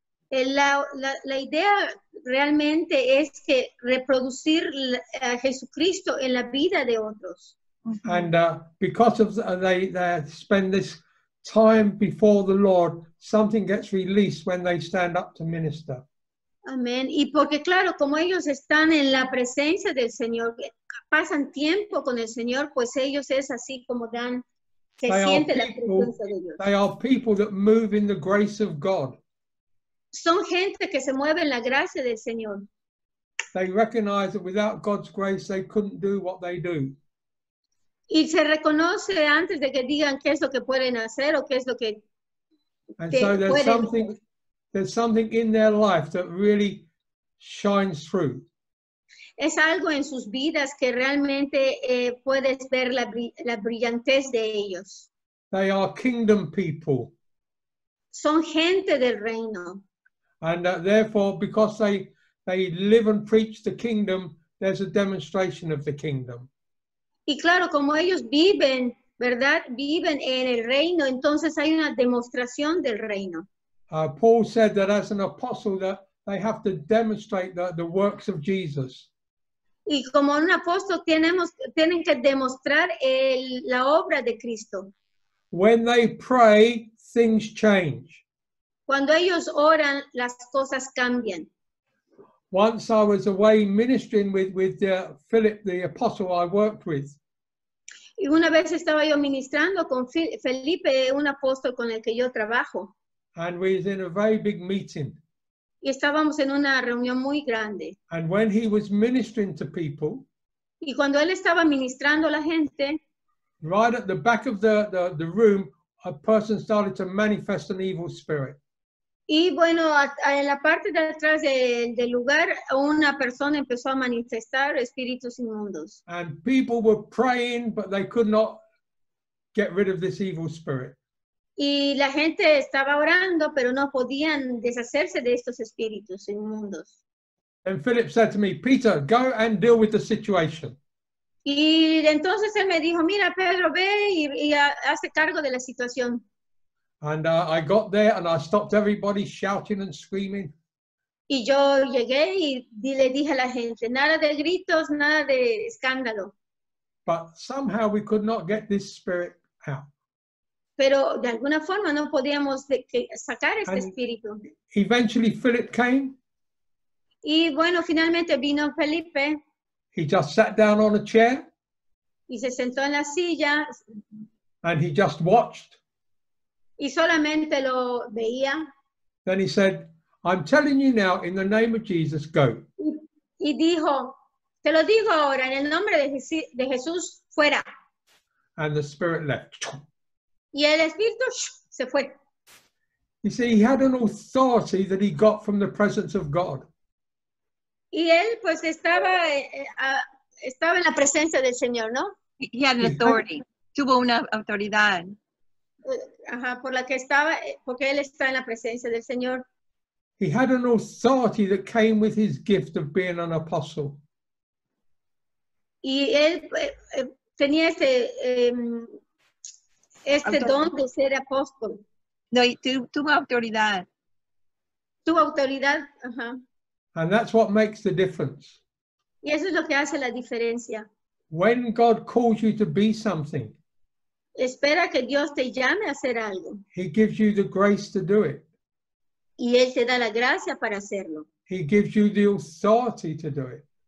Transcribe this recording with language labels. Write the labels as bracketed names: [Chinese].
[Spanish] La idea realmente es que reproducir a Jesucristo en la vida de otros. [English] And because of they spend this time before the Lord, something gets released when they stand up to minister. Amen. [Spanish] Y porque claro, como ellos están en la presencia del Señor, pasan tiempo con el Señor, pues ellos es así como dan, se siente la presencia de Dios. [English] They are people that move in the grace of God. [Spanish] Son gente que se mueve en la gracia del Señor. [English] They recognize that without God's grace, they couldn't do what they do. [Spanish] Y se reconoce antes de que digan qué es lo que pueden hacer o qué es lo que pueden hacer. [English] And so there's something in their life that really shines through. [Spanish] Es algo en sus vidas que realmente puedes ver la brillantez de ellos. [English] They are kingdom people. [Spanish] Son gente del reino. [English] And therefore, because they live and preach the kingdom, there's a demonstration of the kingdom. [Spanish] Y claro, como ellos viven, ¿verdad? Viven en el reino, entonces hay una demostración del reino. [English] Paul said that as an apostle, that they have to demonstrate the works of Jesus. [Spanish] Y como un apóstol tienen que demostrar la obra de Cristo. [English] When they pray, things change. [Spanish] Cuando ellos oran, las cosas cambian. [English] Once I was away ministering with Philip, the apostle I worked with. [Spanish] Y una vez estaba yo ministrando con Felipe, un apóstol con el que yo trabajo. [English] And we was in a very big meeting. [Spanish] Y estábamos en una reunión muy grande. [English] And when he was ministering to people, [Spanish] y cuando él estaba ministrando a la gente, [English] right at the back of the room, a person started to manifest an evil spirit. [Spanish] Y bueno, en la parte de atrás del lugar, una persona empezó a manifestar espíritus inmundos. [English] And people were praying, but they could not get rid of this evil spirit. [Spanish] Y la gente estaba orando, pero no podían deshacerse de estos espíritus inmundos. [English] And Philip said to me, Peter, go and deal with the situation. [Spanish] Y entonces él me dijo, mira, Pedro, ve y hazte cargo de la situación. [English] And I got there and I stopped everybody shouting and screaming. [Spanish] Y yo llegué y le dije a la gente, nada de gritos, nada de escándalo. [English] But somehow we could not get this spirit out. [Spanish] Pero de alguna forma no podíamos sacar este espíritu. [English] Eventually Philip came. [Spanish] Y bueno, finalmente vino Felipe. [English] He just sat down on a chair. [Spanish] Y se sentó en la silla. [English] And he just watched. [Spanish] Y solamente lo veía. [English] Then he said, I'm telling you now, in the name of Jesus, go. [Spanish] Y dijo, te lo digo ahora, en el nombre de Jesús, fuera. [English] And the spirit left. [Spanish] Y el espíritu se fue. [English] You see, he had an authority that he got from the presence of God. [Spanish] Y él pues estaba en la presencia del Señor, ¿no? [English] He had an authority. [Spanish] Tuvo una autoridad. Ajá, por la que estaba, porque él está en la presencia del Señor. [English] He had an authority that came with his gift of being an apostle. [Spanish] Y él tenía este este don de ser apóstol. No, tuvo autoridad. Tuvo autoridad, ajá. [English] And that's what makes the difference. [Spanish] Y eso es lo que hace la diferencia. [English] When God calls you to be something, [Spanish] espera que Dios te llame a hacer algo. [English] He gives you the grace to do it. [Spanish] Y Él te da la gracia para hacerlo. [English] He gives you the authority to do it.